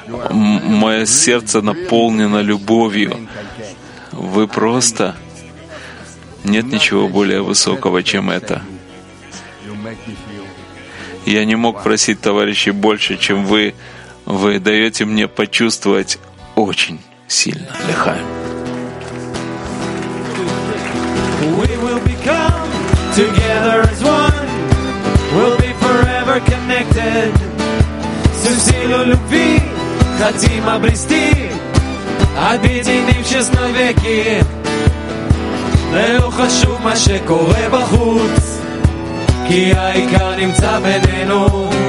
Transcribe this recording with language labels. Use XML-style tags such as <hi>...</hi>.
<ru>Мое сердце наполнено любовью. Вы просто... Нет ничего более высокого, чем это. Я не мог просить, товарищи, больше, чем вы. Вы даете мне почувствовать очень сильно.</ru> <he>Лехаим.</he> <en>We will become together as one. We'll be forever connected.</en> <ru>Всю силу любви хотим обрести, объединившись навеки.</ru> <he>לא חשוב מה שקורה בחוץ, כי העיקר נמצא בינינו.</he>